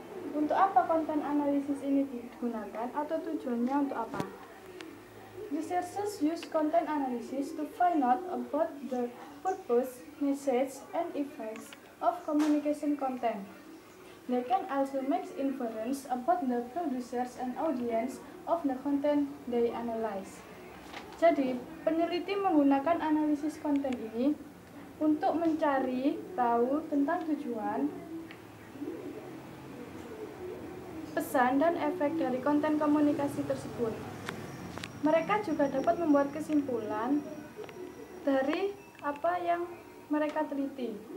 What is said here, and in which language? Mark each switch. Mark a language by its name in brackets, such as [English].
[Indonesian] Untuk apa konten analisis ini digunakan atau tujuannya untuk apa? [English] Researchers use content analysis to find out about the purpose, message, and effects of communication content. They can also make inference about the producers and audience of the content they analyze. [Indonesian] Jadi, peneliti menggunakan analisis konten ini untuk mencari tahu tentang tujuan, pesan dan efek dari konten komunikasi tersebut. Mereka juga dapat membuat kesimpulan dari apa yang mereka teliti.